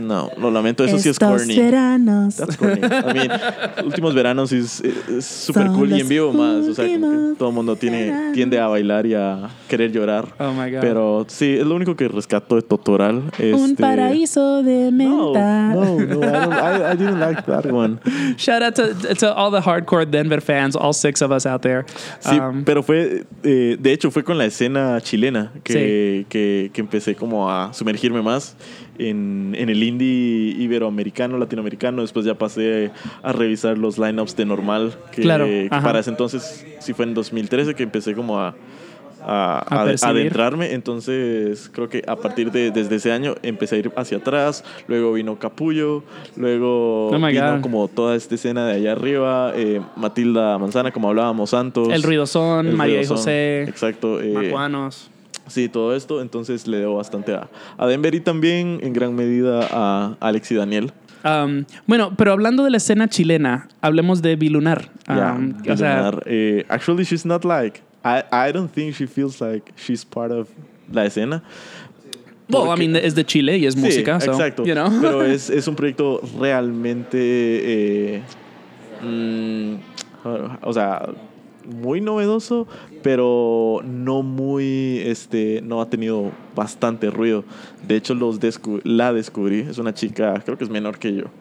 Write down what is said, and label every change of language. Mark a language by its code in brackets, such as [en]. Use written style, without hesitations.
[es] No, lo lamento. Eso estos sí es corny. Últimos veranos. [en] That's corny. I mean, [es] últimos veranos es super son cool. Y en vivo más. O sea, como que todo el mundo tiende a bailar y a querer llorar. [en] Oh my God. [es] Pero sí, es lo único que rescato de Totoral. Un paraíso de menta. [en] No, I didn't like that one. Shout out to all the hardcore Denver fans, all six of us out there. [es] Sí, pero fue, de hecho, fue con la escena chilena que empecé como a sumergirme más en el indie iberoamericano, latinoamericano. Después ya pasé a revisar los lineups de normal. Que claro. Para ese entonces, sí fue en 2013 que empecé como a adentrarme. Entonces creo que a partir desde ese año empecé a ir hacia atrás. Luego vino Capullo. Luego oh vino [en] God. [es] Como toda esta escena de allá arriba, Matilda Manzana, como hablábamos, Santos, El Ruidosón, el María Ruidosón, y José. Exacto, Macuanos. Sí, todo esto. Entonces le debo bastante a Denver y también en gran medida a Alex y Daniel. Bueno, pero hablando de la escena chilena, hablemos de Bilunar. [en] Bilunar, [es] o sea, [en] actually she's not like I don't think she feels like she's part of [es] la escena. Porque, [en] well, I mean, [es] es de Chile y es sí, música. Sí, exacto. [en] So, you know? [es] Pero es un proyecto realmente, o sea, muy novedoso, pero no muy, no ha tenido bastante ruido. De hecho, la descubrí. Es una chica, creo que es menor que yo.